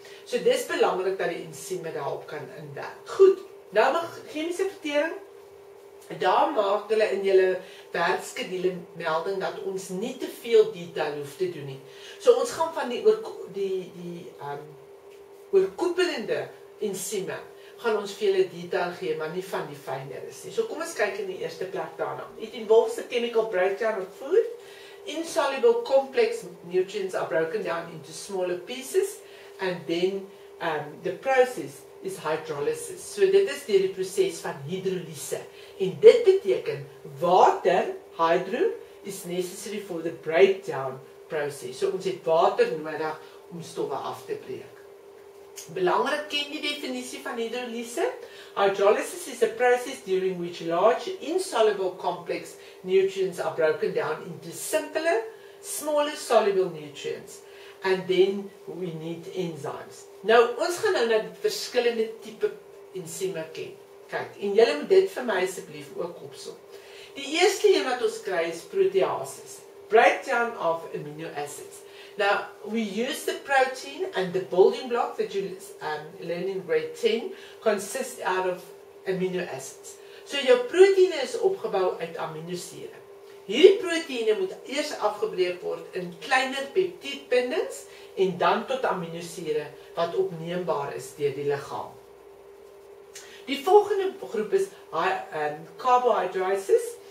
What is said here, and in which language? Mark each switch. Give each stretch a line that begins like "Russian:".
Afrikaans: So dit is belangrik dat die enzyme daarop kan inwerk. Goed, nou met chemiese vertering, daar maak hulle in julle werkskedule melding dat ons nie te veel detail hoef te doen nie. So ons gaan van die oorkoepelende ensieme gaan ons vir julle detail gee, maar nie van die fynere is nie. So kom ons kyk in die eerste plek daarna.
English: It involves the chemical breakdown of food. Insoluble complex nutrients are broken down into smaller pieces and then the process is hydrolysis.
Afrikaans: So dit is die proses van hidrolyse. En dit beteken water, hydro,
English: is necessary for the breakdown process.
Afrikaans: So ons het water nodig om stowwe af te breek. Belangrik, ken die definisie van hydrolyse.
English: Hydrolysis is a process during which large insoluble complex nutrients are broken down into simpler, smaller soluble nutrients. And then we need enzymes.
Afrikaans: Nou, ons gaan nou na die verskillende type enzyme ken. Kyk, en julle moet dit vir my asseblief ook opsom. Die eerste een wat ons kry is proteases.
English: Breakdown of amino acids. Now, we use the protein and the building block that you learn in grade 10 consists out of amino acids.
Afrikaans: So, jou proteïene is opgebouw uit aminosure. Hierdie proteïene moet eers afgebreek word in kleiner peptiedbindings en dan tot aminosure wat opneembaar is deur die liggaam. Die volgende groep is carbohydrases.